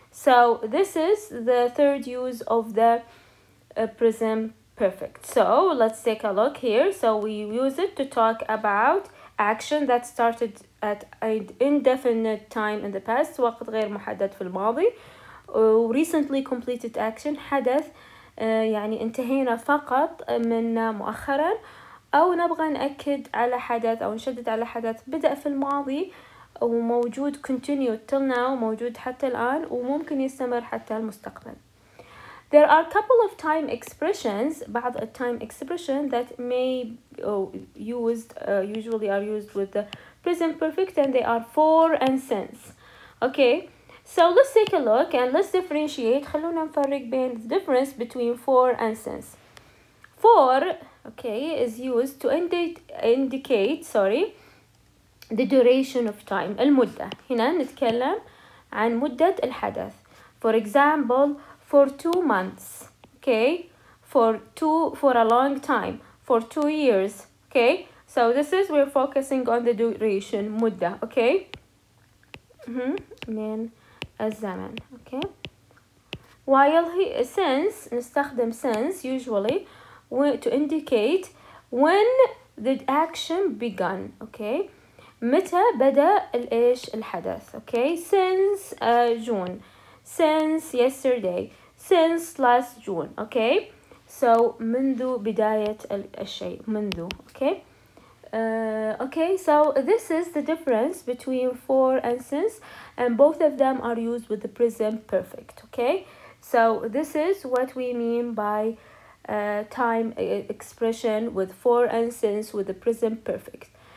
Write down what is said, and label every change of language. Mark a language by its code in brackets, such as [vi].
[en] So this is the third use of the present perfect. So let's take a look here. So we use it to talk about action that started at an indefinite time in the past, [ar] وقت غير محدد في الماضي. [en] Recently completed action, [ar] حدث يعني انتهينا فقط من مؤخرا. أو نبغى نأكد على حدث أو نشدد على حدث بدأ في الماضي وموجود [en] continued till now, [ar] موجود حتى الآن وممكن يستمر حتى المستقبل. [en] There are a couple of time expressions, [ar] بعض [en] time expression that may used usually are used with the present perfect, and they are for and since. Okay, so let's take a look and let's differentiate. [ar] خلونا نفرق بين [en] the difference between for and since. For, okay, is used to indicate the duration of time, المدة. [ar] هنا نتكلم عن مدة الحدث. [en] For example, for 2 months, okay, for a long time, for 2 years, okay. So this is, we're focusing on the duration, مدة, okay. [ar] من الزمن, okay. [en] While since, [ar] نستخدم [en] since usually to indicate when the action begun, okay. [ar] متى بدأ الإيش الحدث, okay. [en] Since June, since yesterday, since last June, okay. [ar] So منذ بداية الشيء, منذ, okay. [en] Okay, so this is the difference between for and since, and both of them are used with the present perfect, okay. So this is what we mean by time expression with for and since with the present perfect.